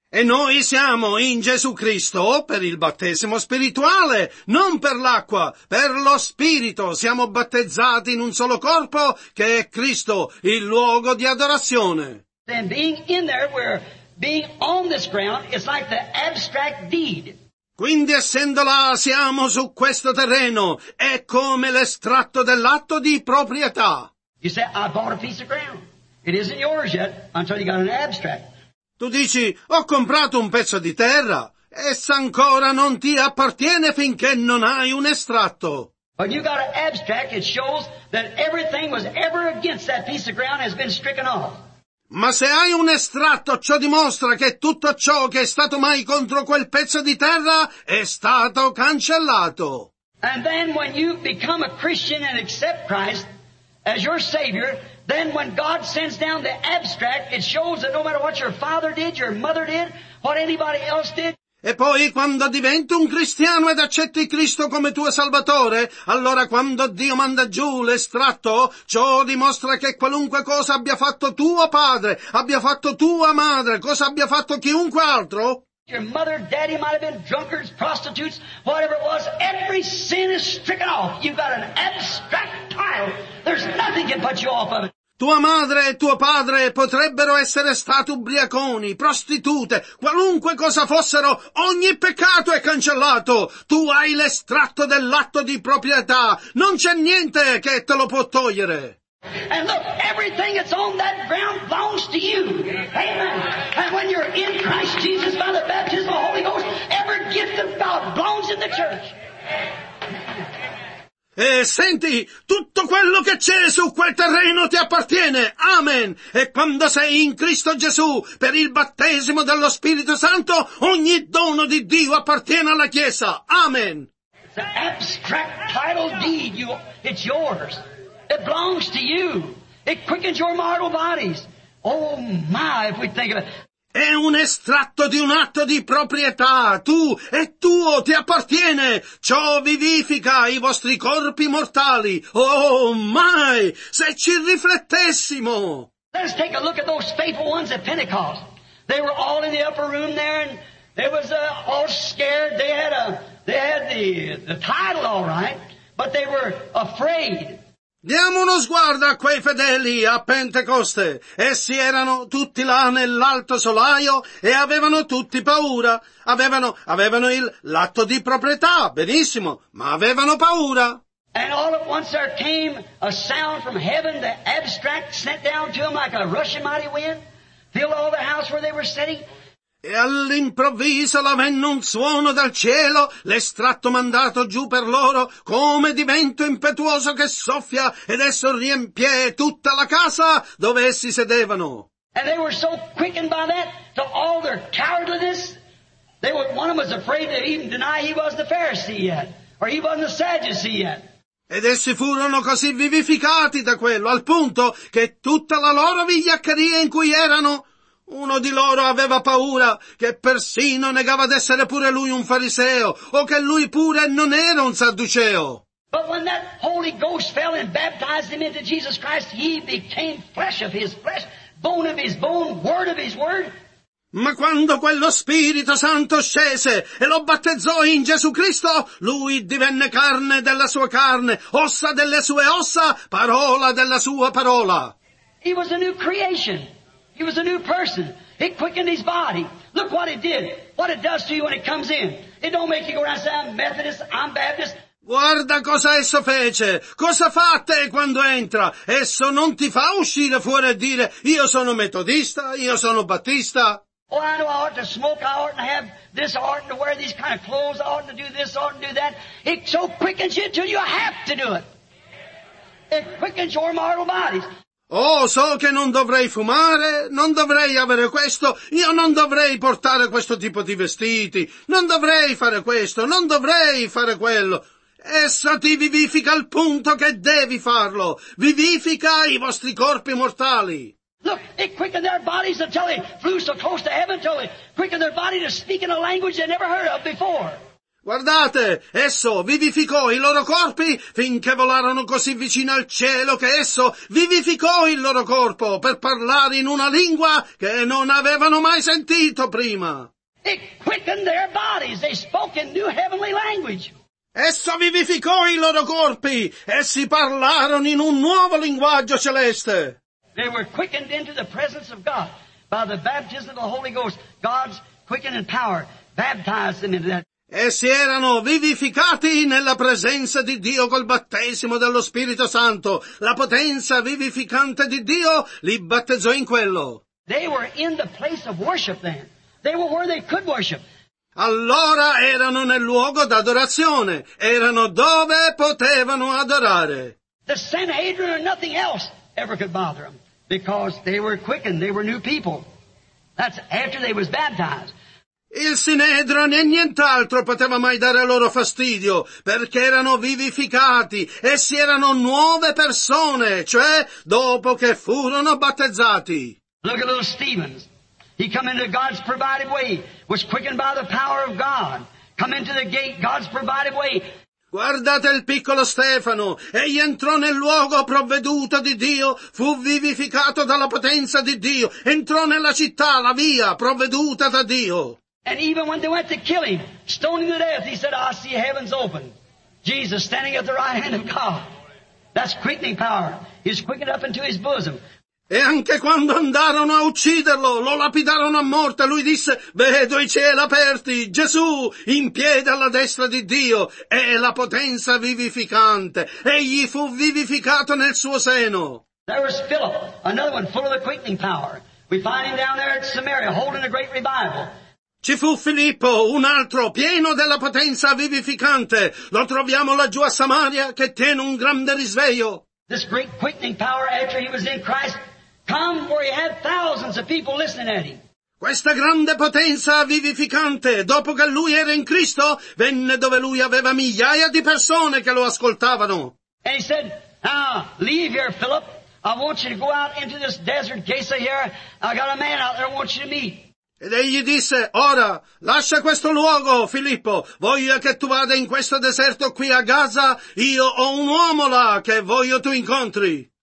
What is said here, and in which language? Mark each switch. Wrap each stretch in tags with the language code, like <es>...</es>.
<it>E noi siamo in Gesù Cristo per il battesimo spirituale, non per l'acqua, per lo spirito. Siamo battezzati in un solo corpo, che è Cristo, il luogo di adorazione.</it> <en>And being in there, we're being on this ground, it's like the abstract deed.</en> <it>Quindi essendo là, siamo su questo terreno, è come l'estratto dell'atto di proprietà.</it> <en>You say, I bought a piece of ground. It isn't yours yet until you got an abstract.</en> <it>Tu dici, ho comprato un pezzo di terra. Essa ancora non ti appartiene finché non hai un estratto.</it> <en>When you got an abstract, it shows that everything was ever against that piece of ground has been stricken off.</en> <it>Ma se hai un estratto, ciò dimostra che tutto ciò che è stato mai contro quel pezzo di terra è stato cancellato.</it> <en>And then when you become a Christian and accept Christ as your Savior, then when God sends down the abstract, it shows that no matter what your father did, your mother did, what anybody else did.</en> <it>E poi quando diventi un cristiano ed accetti Cristo come tuo Salvatore, allora quando Dio manda giù l'estratto, ciò dimostra che qualunque cosa abbia fatto tuo padre, abbia fatto tua madre, cosa abbia fatto chiunque altro.</it> <en>Your mother, daddy might have been drunkards, prostitutes, whatever it was. Every sin is stricken off. You've got an abstract title. There's nothing can put you off of it.</en> <it>Tua madre e tuo padre potrebbero essere stati ubriaconi, prostitute, qualunque cosa fossero, ogni peccato è cancellato. Tu hai l'estratto dell'atto di proprietà. Non c'è niente che te lo può togliere.</it> <en>And look, everything that's on that ground belongs to you. Amen. And when you're in Christ Jesus by the baptism of the Holy Ghost, every gift of God belongs in the church.</en> <it>E senti, tutto quello che c'è su quel terreno ti appartiene. Amen. E quando sei in Cristo Gesù per il battesimo dello Spirito Santo, ogni dono di Dio appartiene alla Chiesa. Amen.</it> <en>It's an abstract title deed. It's yours. It belongs to you. It quickens your mortal bodies. Oh my, if we think of it.</en> <it>È un estratto di un atto di proprietà. Tu, è tuo, ti appartiene. Ciò vivifica i vostri corpi mortali. Oh my, se ci riflettessimo.</it> <en>Let's take a look at those faithful ones at Pentecost. They were all in the upper room there and they was all scared. They had the title all right, but they were afraid.</en> <it>Diamo uno sguardo a quei fedeli a Pentecoste. Essi erano tutti là nell'alto solaio e avevano tutti paura. Avevano l'atto di proprietà, benissimo, ma avevano paura.</it> <en>And all at once there came a sound from heaven, the abstract sent down to them like a rushing mighty wind, filled all the house where they were sitting.</en> <it>E all'improvviso la venne un suono dal cielo, l'estratto mandato giù per loro, come di vento impetuoso che soffia, ed esso riempie tutta la casa dove essi sedevano.</it> <en>And they were so quickened by that, to all their cowardliness, One of them was afraid to even deny he was the Pharisee yet, or he wasn't a Sadducee yet.</en> <it>Ed essi furono così vivificati da quello, al punto che tutta la loro vigliaccheria in cui erano, uno di loro aveva paura che persino negava d'essere pure lui un fariseo, o che lui pure non era un sadduceo.</it> <en>But when that Holy Ghost fell and baptized him into Jesus Christ, he became flesh of his flesh, bone of his bone, word of his word.</en> <it>Ma quando quello Spirito Santo scese e lo battezzò in Gesù Cristo, lui divenne carne della sua carne, ossa delle sue ossa, parola della sua parola.</it> <en>He was a new creation. He was a new person. It quickened his body. Look what it did. What it does to you when it comes in. It don't make you go around and say, I'm Methodist, I'm Baptist.</en> <it>Guarda cosa esso fece, cosa fa a te quando entra. Esso non ti fa uscire fuori e dire, io sono metodista, io sono battista.</it> <en>Oh, I know I ought to smoke, I ought to have this, I ought to wear these kind of clothes, I ought to do this, I ought to do that. It so quickens you until you have to do it. It quickens your mortal bodies.</en> <it>Oh, so che non dovrei fumare, non dovrei avere questo, io non dovrei portare questo tipo di vestiti, non dovrei fare questo, non dovrei fare quello. Essa ti vivifica al punto che devi farlo. Vivifica i vostri corpi mortali.</it> <en>Look, it quickened their bodies until they flew so close to heaven, until it quickened their body to speak in a language they never heard of before.</en> <it>Guardate, esso vivificò i loro corpi finché volarono così vicino al cielo che esso vivificò il loro corpo per parlare in una lingua che non avevano mai sentito prima.</it> <en>It quickened their bodies. They spoke in new heavenly language.</en> <it>Esso vivificò i loro corpi, essi parlarono in un nuovo linguaggio celeste.</it> <en>They were quickened into the presence of God by the baptism of the Holy Ghost. God's quickening power baptized them into that.</en> <it>Essi erano vivificati nella presenza di Dio col battesimo dello Spirito Santo. La potenza vivificante di Dio li battezzò in quello.</it> <en>They were in the place of worship then. They were where they could worship.</en> <it>Allora erano nel luogo d'adorazione, erano dove potevano adorare.</it> <en>The Sanhedrin or nothing else ever could bother them, because they were quickened, they were new people. That's after they was baptized.</en> <it>Il Sinedro né nient'altro poteva mai dare loro fastidio, perché erano vivificati, essi erano nuove persone, cioè dopo che furono battezzati.</it> <en>Look at those Stephens. He come into God's provided way, was quickened by the power of God. Come into the gate, God's provided way.</en> <it>Guardate il piccolo Stefano. Egli entrò nel luogo provveduto di Dio, fu vivificato dalla potenza di Dio. Entrò nella città, la via, provveduta da Dio.</it> <en>And even when they went to kill him, stoning to death, he said, I see heavens open. Jesus standing at the right hand of God. That's quickening power. He's quickened up into his bosom.</en> <it>E anche quando andarono a ucciderlo, lo lapidarono a morte, lui disse, vedo i cieli aperti, Gesù in piedi alla destra di Dio, è la potenza vivificante. Egli fu vivificato nel suo seno.</it> <en>There was Philip, another one full of the quickening power. We find him down there at Samaria, holding a great revival.</en> <it>Ci fu Filippo, un altro, pieno della potenza vivificante. Lo troviamo laggiù a Samaria, che tiene un grande risveglio.</it> <en>This great quickening power after he was in Christ, come where he had thousands of people listening at him.</en> <it>Questa grande potenza vivificante, dopo che lui era in Cristo, venne dove lui aveva migliaia di persone che lo ascoltavano.</it> <en>And he said, now, leave here, Philip. I want you to go out into this desert, Gesa here. I got a man out there I want you to meet.</en> <it>Ed egli disse, ora, lascia questo luogo, Filippo, voglio che tu vada in questo deserto qui a Gaza, io ho un uomo là che voglio tu incontri.</it>